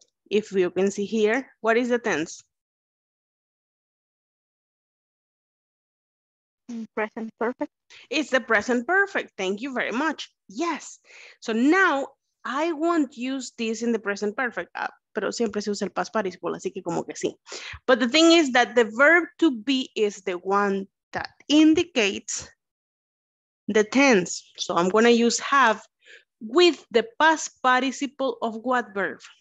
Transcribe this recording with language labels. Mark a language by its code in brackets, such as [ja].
[en] If you can see here, what is the tense? Present perfect. It's the present perfect. Thank you very much. Yes. So now I won't use this in the present perfect. [es] Pero siempre se usa el past participle, así que como que sí. [en] But the thing is that the verb to be is the one that indicates the tense. So I'm going to use have with the past participle of what verb?